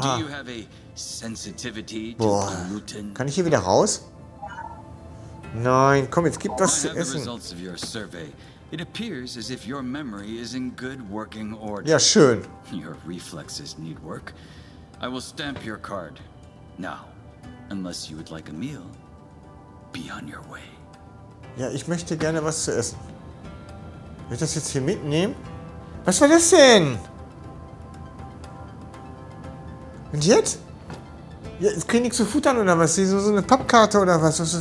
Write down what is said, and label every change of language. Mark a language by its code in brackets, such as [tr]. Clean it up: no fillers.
[en] Do you have a sensitivity to gluten? [de] Kann ich hier wieder raus? Nein, komm, jetzt gib was zu essen. [en] Results of your survey. It appears as if your memory is in good working order. [de] Ja, schön. [en] Your reflexes need work. I will stamp your card. Now, unless you would like a meal, be on your way. [de] Ja, ich möchte gerne was zu essen. Will ich das jetzt hier mitnehmen? Was war das denn? Und jetzt? Ja, jetzt krieg ich nichts zu futtern oder was? So eine Pappkarte oder was?